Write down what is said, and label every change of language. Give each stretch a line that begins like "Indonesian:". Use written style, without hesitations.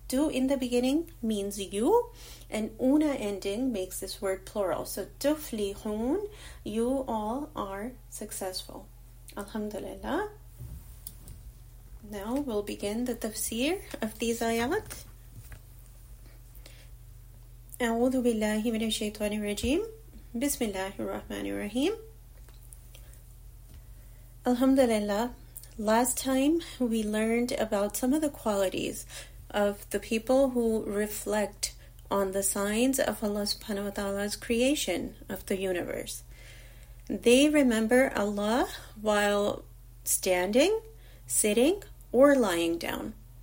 English: Tu in the beginning means you, and una ending makes this word plural. So tuflihun, you all are successful. Alhamdulillah. Now we'll begin the tafsir of these ayat.
Arabic: أعوذ بالله من الشيطان الرجيم بسم الله الرحمن الرحيم الحمد لله.
English: Last time we learned about some of the qualities of the people who reflect on the signs of Allah subhanahu wa ta'ala's creation of the universe. They remember Allah while standing, sitting, or lying down.